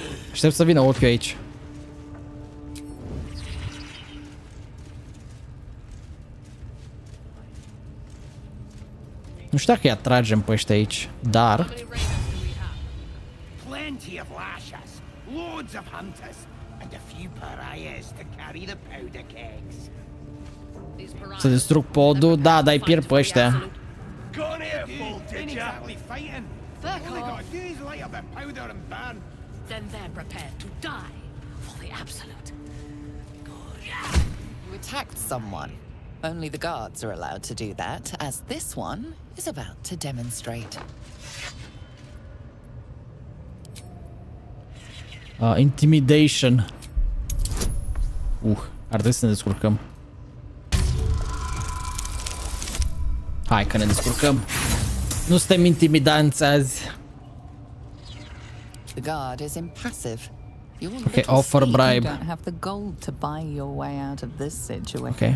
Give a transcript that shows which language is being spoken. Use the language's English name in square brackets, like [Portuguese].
[Romanian] Aștept să vină ochiul aici. Nu știu dacă îi atragem pe ăștia aici, dar... [English] Plenty of lashes, loads of hunters, and a few pariahs to carry the powder kegs. [Romanian] Să distrug podul? Da, dar îi pierd pe ăștia. [English] Gone here, fool, did ya? Exactly fighting. Fuck off. All they gotta do is light up the powder and burn. Then they're prepared to die for the absolute. Good. You attacked someone. Only the guards are allowed to do that, as this one is about to demonstrate. Intimidation. [Romanian] Ar trebui să ne descurcăm. Hai că ne descurcăm. Nu suntem intimidanți azi. [English] The guard is impassive. Ok, offer bribe. You don't have the gold to buy your way out of this situation.